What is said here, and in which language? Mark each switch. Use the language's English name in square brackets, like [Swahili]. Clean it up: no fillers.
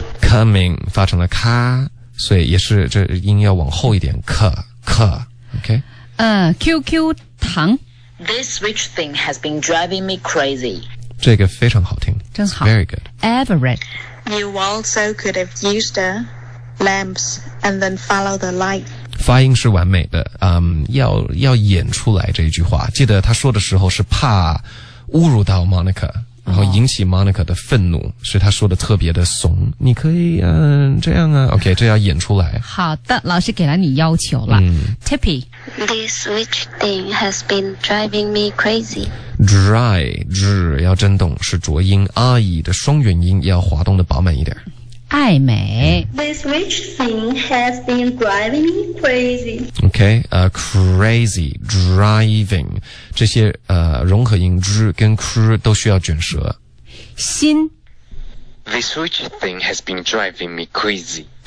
[Chinese] Coming 发成了咖，所以也是这音要往后一点。可 ，OK。 QQ 糖。 [English] This switch thing has been driving me crazy. [Chinese] 这个非常好听，真好。 [English] Very good. Everett, you also could have used the lamps and then follow the light. [Chinese] 发音是完美的，要演出来这一句话。记得他说的时候是怕侮辱到 Monica。然后引起 Monica 的愤怒、所以他说的特别的怂，你可以这样啊 OK, 这要演出来。好的，老师给了你要求了、Tippy. [English] This switch thing has been driving me crazy. [Chinese] Dry, 日要震动是浊音，阿姨的双元音要滑动的饱满一点。爱美、 [English] This switch thing has been driving me crazy. [Chinese] OK, crazy, driving. 这些融合音 zh 跟 kr 都需要卷舌。心。 [English] This switch thing has been driving me crazy.